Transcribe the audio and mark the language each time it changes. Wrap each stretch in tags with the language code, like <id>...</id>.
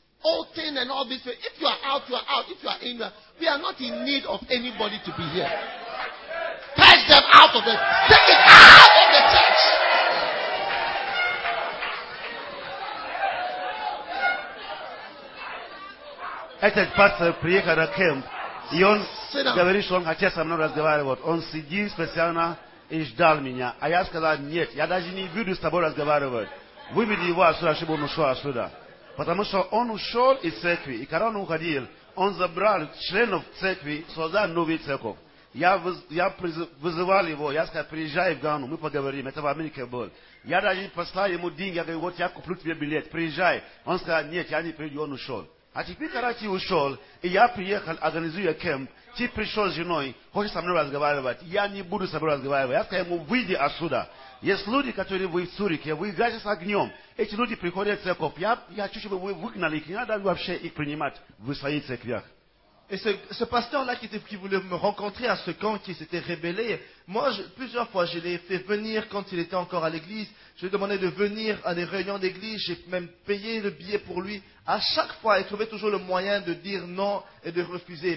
<en>Old thing and all this. If you are out, you are out. If you are in, we are not in need of anybody to be here. Purge them out of it. Take it out of the church. I said, Pastor, Priyaka da camp.</en> <ru>Я говорю, что он хотел со мной разговаривать. Он сидит специально и ждал меня. А я сказал, нет, я даже не буду с тобой разговаривать. Выведи его отсюда, чтобы он ушел отсюда. Потому что он ушел из церкви. И когда он уходил, он забрал членов церкви, создал новую церковь. Я вызывал его, я сказал, приезжай в Гану, мы поговорим. Это в Америке был. Я даже послал ему деньги, я говорю, вот я куплю тебе билет, приезжай. Он сказал, нет, я не приеду, он ушел. А теперь, когда ты ушел, и я приехал, организую кемп, ты пришел с женой, хочешь со мной разговаривать, я не буду с тобой разговаривать. Я сказал ему, выйди отсюда. Есть люди, которые вы в Цюрике, вы играете с огнем. Эти люди приходят в церковь. Я хочу, чтобы вы выгнали их, не надо вообще их принимать в своих церквях.</ru> <fr>Et ce pasteur-là qui voulait me rencontrer à ce camp qui s'était rébellé, moi, plusieurs fois, je l'ai fait venir quand il était encore à l'église. Je lui ai demandé de venir à des réunions d'église. J'ai même payé le billet pour lui. À chaque fois, il trouvait toujours le moyen de dire non et de refuser.</fr>